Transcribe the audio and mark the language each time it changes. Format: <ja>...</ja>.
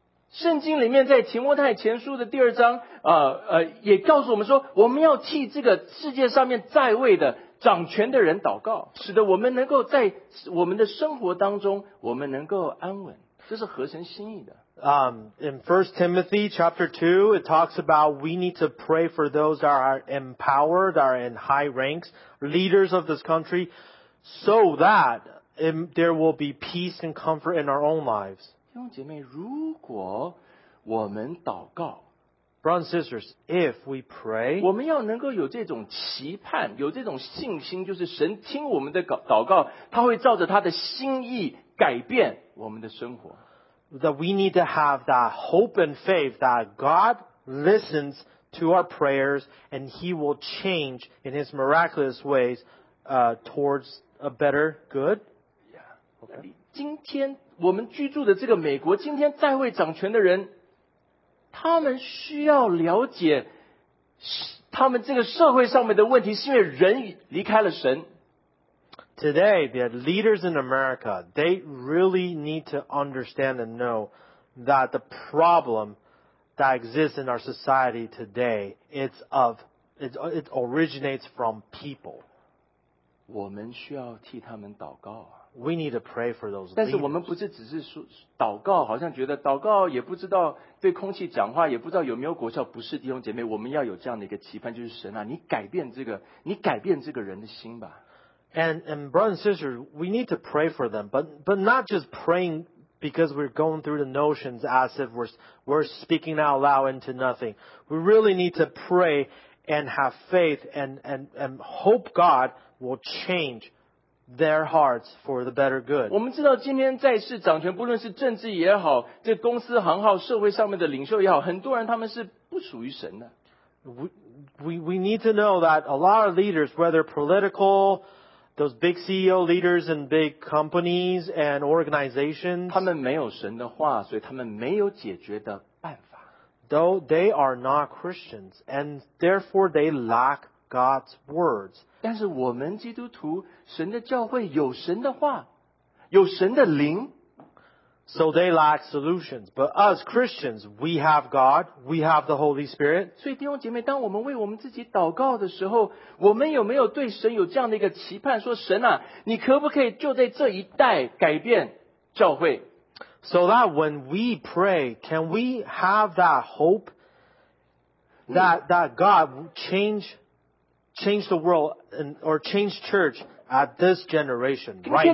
<zh>圣经里面在提摩太前书的第二章也告诉我们说，我们要替这个世界上面在位的掌权的人祷告，使得我们能够在我们的生活当中我们能够安稳，这是合神心意的。</zh> <en>In 1 Timothy chapter 2, it talks about we need to pray for those that are empowered, are in high ranks, leaders of this country, so that there will be peace and comfort in our own lives.</en> <zh>弟兄姐妹，如果我们祷告，</zh> <en>Brothers and sisters, if we pray,</en> <zh>我们要能够有这种期盼，有这种信心，就是神听我们的祷告，他会照着他的心意改变我们的生活。</zh> <en>That we need to have that hope and faith that God listens to our prayers and He will change in His miraculous ways towards a better good. Yeah. Okay.</en> <zh>今天我们居住的这个美国，今天在位掌权的人，他们需要了解他们这个社会上面的问题，是因为人离开了神。</zh> <en>Today, the leaders in America, they really need to understand and know that the problem that exists in our society today, it originates from people.</en> <zh>我们需要替他们祷告啊。</zh> <en>We need to pray for those leaders.</en> <zh>但是我们不是只是说祷告，好像觉得祷告也不知道对空气讲话，也不知道有没有果效。不是，弟兄姐妹，我们要有这样的一个期盼，就是神啊，你改变这个，你改变这个人的心吧。</zh> <en>And brothers and sisters, we need to pray for them, but not just praying because we're going through the notions as if we're speaking out loud into nothing. We really need to pray and have faith and hope God will change their hearts for the better good.</en> <zh>我们知道今天在世掌权，不论是政治也好，这公司行号，社会上面的领袖也好，很多人他们是不属于神的。</zh> <en>We need to know that a lot of leaders, whether political, those big CEO leaders and big companies and organizations,</en> <zh>他们没有神的话，所以他们没有解决的办法。</zh> <en>Though they are not Christians, and therefore they lack God's words.</en> <zh>但是我们基督徒，神的教会有神的话，有神的灵。</zh> <en>So they lack solutions. But us Christians, we have God. We have the Holy Spirit.</en> <zh>所以弟兄姐妹，当我们为我们自己祷告的时候，我们有没有对神有这样的一个期盼，说神啊，你可不可以就在这一代改变教会？</zh> <en>So that when we pray, can we have that hope that God change the world or change church at this generation, right now.</en>